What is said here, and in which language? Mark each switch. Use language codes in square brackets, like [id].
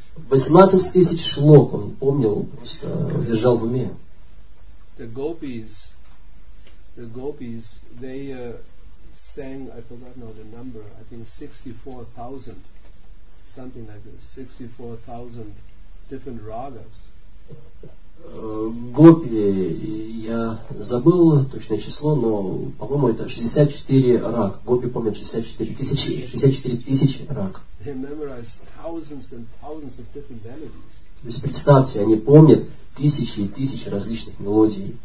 [ru] 18 тысяч шлок он помнил, просто держал в уме. [en] The gopis, they sang, I forgot now the number, I think 64,000, something like this, 64,000. Different ragas. [ru] Гопи, я забыл точное число, но, по-моему, это 64 рак. Гопи помнят 64 тысячи рак. То есть представьте, они помнят тысячи и тысячи различных мелодий.